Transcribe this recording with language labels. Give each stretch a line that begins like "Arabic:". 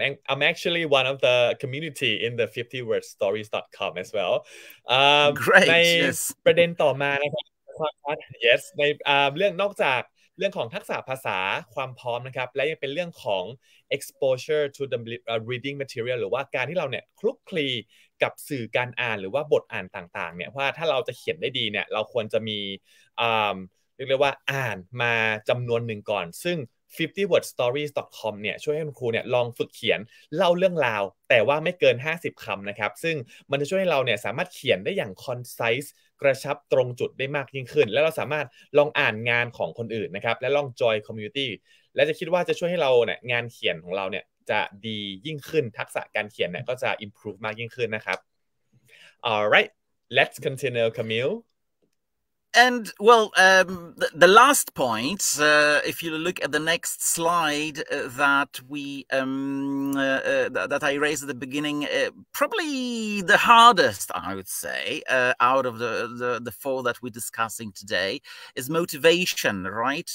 English: I'm actually one of the community in the 50wordstories.com as well. Great, yes.
Thai: ประเด็นต่อมานะครับ Yes, ในเรื่องนอกจากเรื่องของทักษะภาษาความพร้อมนะครับและยังเป็นเรื่องของ
English: exposure to the reading material
Thai: หรือว่าการที่เราเนี่ยคลุกคลีกับสื่อการอ่านหรือว่าบทอ่านต่างๆเนี่ยว่าถ้าเราจะเขียนได้ดีเนี่ยเราควรจะมี เรียกว่าอ่านมาจำนวนหนึ่งก่อนซึ่ง 50wordstories.com เนี่ยช่วยให้คุณครูเนี่ยลองฝึกเขียนเล่าเรื่องราวแต่ว่าไม่เกิน50คำนะครับซึ่งมันจะช่วยให้เราเนี่ยสามารถเขียนได้อย่าง concise กระชับตรงจุดได้มากยิ่งขึ้นแล้วเราสามารถลองอ่านงานของคนอื่นนะครับและลอง join community และจะคิดว่าจะช่วยให้เราเนี่ยงานเขียนของเราเนี่ยจะดียิ่งขึ้นทักษะการเขียนเนี่ยก็จะ improve มากยิ่งขึ้นนะครับ
English: alright let's continue Camille. And, well, the last point, if you look at the next slide that I raised at the beginning, probably the hardest, I would say, out of the four that we're discussing today is motivation, right?